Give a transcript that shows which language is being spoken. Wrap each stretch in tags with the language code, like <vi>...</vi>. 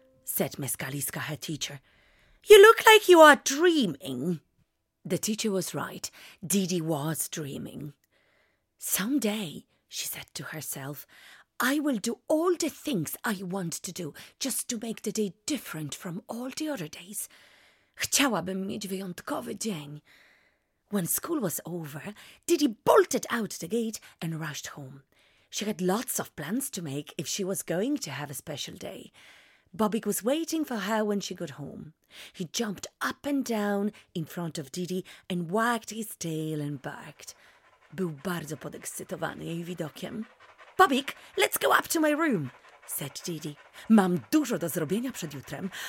<en>Said Miss Kaliska, her teacher. You look like you are dreaming. The teacher was right. Didi was dreaming. Someday, she said to herself, I will do all the things I want to do just to make the day different from all the other days.</en> <pl>Chciałabym mieć wyjątkowy dzień.</pl> <en>When school was over, Didi bolted out the gate and rushed home. She had lots of plans to make if she was going to have a special day. Bobik was waiting for her when she got home. He jumped up and down in front of Didi and wagged his tail and barked.</en> <pl>Był bardzo podekscytowany jej widokiem.</pl> <en>Bobik, let's go up to my room, said Didi.</en> <pl>Mam dużo do zrobienia przed jutrem.</pl>